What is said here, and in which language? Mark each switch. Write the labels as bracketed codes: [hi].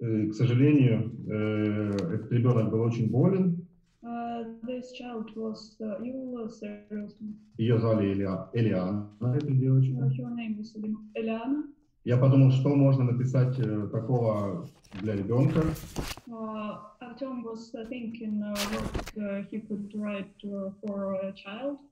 [ru] К сожалению, этот ребенок был очень болен. [en] This child was ill, seriously. [ru] Ее звали Элиана, эта девочка. [en] Her name was Eliana. [ru] Я подумал, что можно написать такого для ребенка. [en] Artem was thinking what he could write for a child.